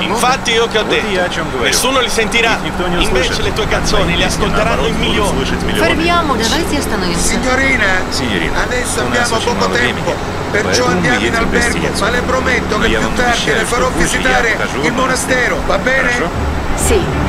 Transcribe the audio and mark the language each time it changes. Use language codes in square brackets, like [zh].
[it] Infatti io che ho detto, nessuno li sentirà. Invece le tue canzoni li ascolteranno in milioni. Fermiamo, [ru] давайте остановимся. [it] Signorina, adesso abbiamo poco tempo, perciò andiamo in albergo. Ma le prometto che più tardi le farò visitare il monastero, va bene? Sì,